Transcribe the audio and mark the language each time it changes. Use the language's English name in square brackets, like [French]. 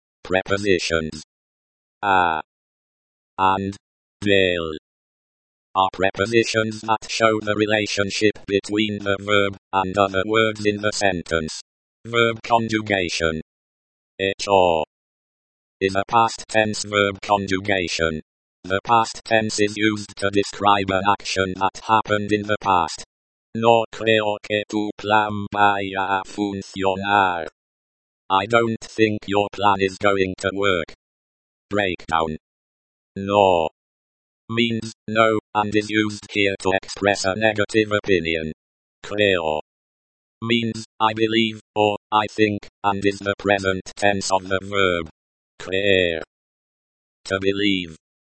[English] Prepositions. A and del are prepositions that show the relationship between the verb and other words in the sentence. Verb conjugation. Echó is a past tense verb conjugation. The past tense is used to describe an action that happened in the past. [Spanish] No creo que tu plan vaya a funcionar. [English] I don't think your plan is going to work. Breakdown. No means no, and is used here to express a negative opinion. Creo means I believe, or I think, and is the present tense of the verb. Creer. To believe.